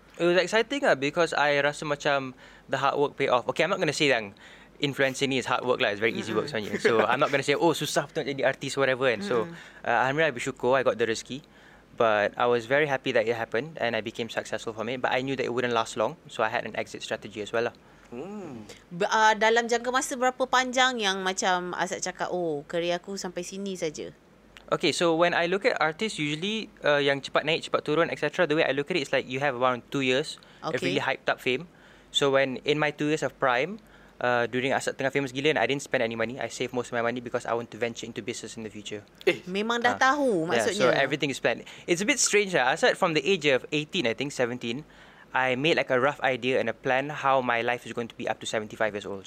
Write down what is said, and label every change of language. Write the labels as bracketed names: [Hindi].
[English] It was exciting lah because I [Malay] rasa macam [English] the hard work pay off. Okay, I'm not going to say [Malay] yang influencing ni [English] is hard work lah, it's very easy work [Malay] sebenarnya. [English] So I'm not going to say oh [Malay] susah betul nak jadi [English] artist whatever kan. So [Malay] alhamdulillah, bersyukur [English] I got the rezeki. But I was very happy that it happened and I became successful from it. But I knew that it wouldn't last long. So I had an exit strategy as well lah. [Malay] Dalam jangka masa berapa panjang yang macam Asad cakap, oh, kerjaya aku sampai sini saja? [English] Okay, so when I look at artists, usually [Malay] yang cepat naik, cepat turun, [English] etc. The way I look at it is like you have around 2 years of really hyped up fame. So when in my 2 years of prime, during [Malay] Asad tengah famous gila, [English] I didn't spend any money. I save most of my money because I want to venture into business in the future. [Malay] Memang dah tahu maksudnya. [English] Yeah, so everything is planned. It's a bit strange lah. Asad from the age of 18, I think, 17, I made like a rough idea and a plan how my life is going to be up to 75 years old.